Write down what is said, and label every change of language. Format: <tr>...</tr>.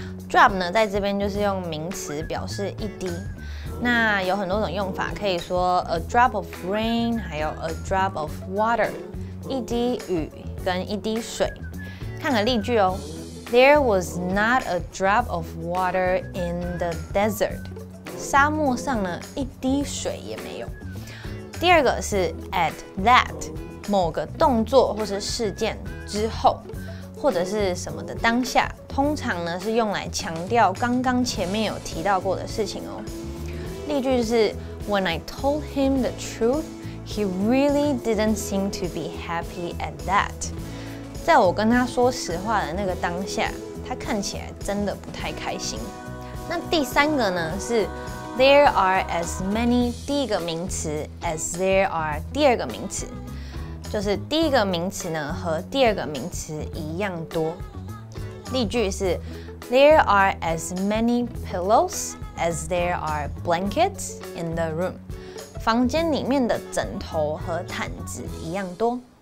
<zh>Drop 呢，在这边就是用名词表示一滴。那有很多种用法，可以说</zh> <en>a drop of rain,</en> <zh>还有</zh> <en>a drop of water,</en> <zh>一滴雨跟一滴水。看个例句哦。</zh> <en>There was not a drop of water in the desert.</en> <zh>沙漠上呢，一滴水也没有。第二个是</zh> <en>at that</en> <zh>某个动作或是事件之后，或者是什么的当下，通常呢是用来强调刚刚前面有提到过的事情哦。例句是</zh> <en>When I told him the truth, he really didn't seem to be happy at that.</en> <zh>在我跟他说实话的那个当下，他看起来真的不太开心。那第三个呢是。</zh> <en>There are as many</en> <zh>第一个名词</zh> <en>as there are</en> <zh>第二个名词，就是第一个名词呢和第二个名词一样多。例句是</zh> <en>There are as many pillows as there are blankets in the room.</en> <zh>房间里面的枕头和毯子一样多。</zh>